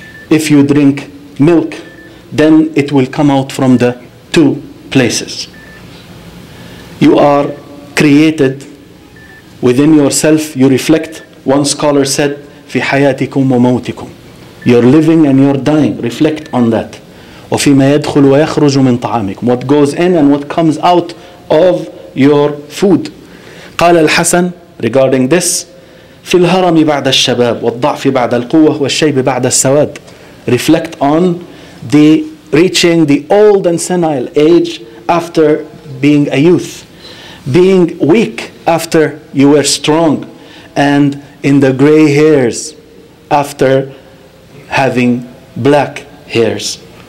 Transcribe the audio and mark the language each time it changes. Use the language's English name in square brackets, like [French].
[English] If you drink milk, then it will come out from the two places. You are created within yourself. You reflect, one scholar said, [Arabic] في حياتكم وموتكم. [English] You're living and you're dying. Reflect on that. [Arabic] وفيما يدخل ويخرج من طعامكم. [English] What goes in and what comes out of your food. [Arabic] قال الحسن [English] regarding this, [Arabic] في الهرم بعد الشباب والضعف بعد القوة والشيب بعد السواد. [English] Reflect on the reaching the old and senile age after being a youth. Being weak after you were strong. And in the gray hairs after having black hairs.